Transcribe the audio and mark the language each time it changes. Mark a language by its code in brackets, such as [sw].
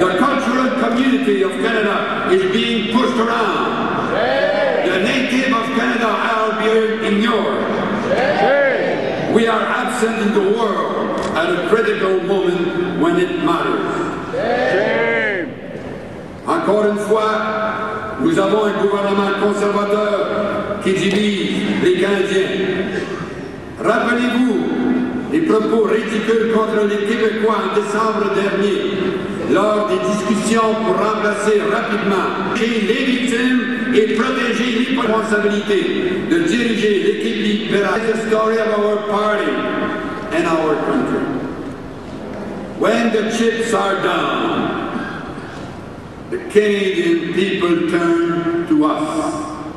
[en] The cultural community of Canada is being pushed around. Native of Canada are being ignored. We are absent in the world at a critical moment when it matters. Shame. [fr] Encore une fois, nous avons un gouvernement conservateur qui divise les Canadiens. Rappelez-vous les propos ridicules contre les Québécois en décembre dernier, lors des discussions pour remplacer rapidement les victimes et protéger l'irresponsabilité de diriger l'équipe libérale. [en] The story of our party and our country. When the chips are down, the Canadian people turn to us.